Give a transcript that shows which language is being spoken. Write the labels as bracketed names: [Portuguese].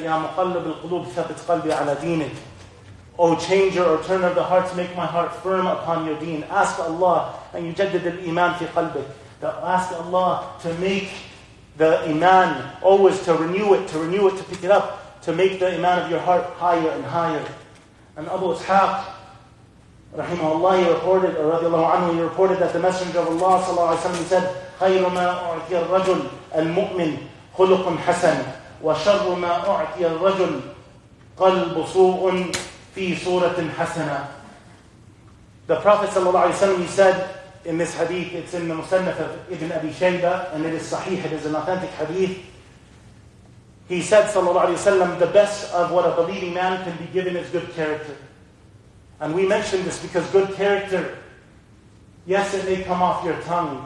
[Arabic] Ya muqallib al-qulub, thabit qalbi ala deenik. [English] O changer or turner of the hearts, make my heart firm upon your deen. Ask Allah, and you [Arabic] jaddid al-iman fi qalbik. [English] Ask Allah to make the iman, always to renew it, to pick it up, to make the iman of your heart higher and higher. And Abu Ishaq, [Arabic] رحمه الله reported, or رضي الله عنه, [English] he reported that the Messenger of Allah [Arabic] صلى الله عليه وسلم said, خير ما أعطي الرجل المؤمن خلق حسن وشر ما أعطي الرجل قلب سوء في صورة حسنة. [English] The Prophet صلى الله عليه وسلم, he said in this hadith, it's in the Musannaf of Ibn Abi Shayba, and it is sahih, it is an authentic hadith. He said, صلى الله عليه وسلم, the best of what a believing man can be given is good character. And we mention this because good character, yes, it may come off your tongue.